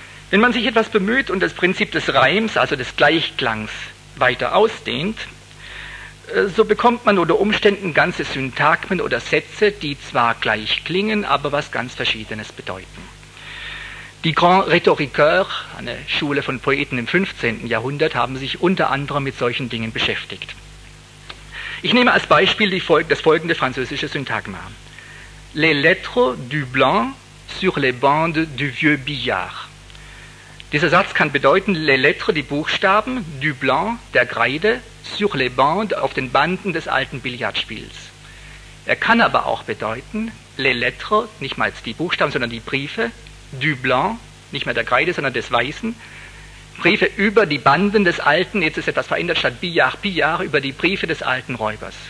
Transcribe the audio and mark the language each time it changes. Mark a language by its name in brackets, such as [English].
[German] Wenn man sich etwas bemüht und das Prinzip des Reims, also des Gleichklangs, weiter ausdehnt, so bekommt man unter Umständen ganze Syntagmen oder Sätze, die zwar gleich klingen, aber was ganz Verschiedenes bedeuten. Die Grands Rhetoriqueurs, eine Schule von Poeten im 15. Jahrhundert, haben sich unter anderem mit solchen Dingen beschäftigt. Ich nehme als Beispiel das folgende französische Syntagma. [French] Les lettres du blanc sur les bandes du vieux billard. [German] Dieser Satz kann bedeuten, les lettres, die Buchstaben, du blanc, der Kreide, sur les bandes, auf den Banden des alten Billardspiels. Er kann aber auch bedeuten, les lettres, nicht mal die Buchstaben, sondern die Briefe, du blanc, nicht mehr der Kreide, sondern des Weißen, Briefe über die Banden des alten, jetzt ist etwas verändert, statt billard, billard, über die Briefe des alten Räubers.